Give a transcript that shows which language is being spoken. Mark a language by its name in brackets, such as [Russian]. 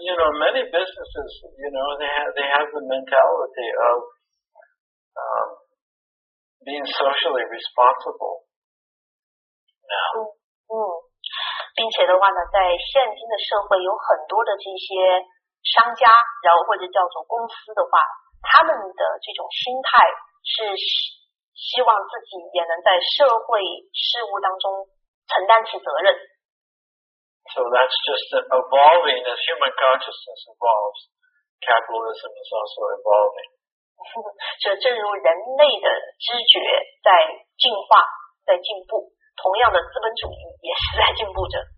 [English] Many businesses, they have the mentality of being socially responsible. Now. [Chinese] 并且的话呢，在现今的社会，有很多的这些商家，然后或者叫做公司的话，他们的这种心态是希望自己也能在社会事务当中承担起责任。 [English] So that's just evolving as human consciousness evolves. Capitalism is also evolving. [Chinese] 就正如人类的知觉在进化，在进步，同样的资本主义也是在进步着。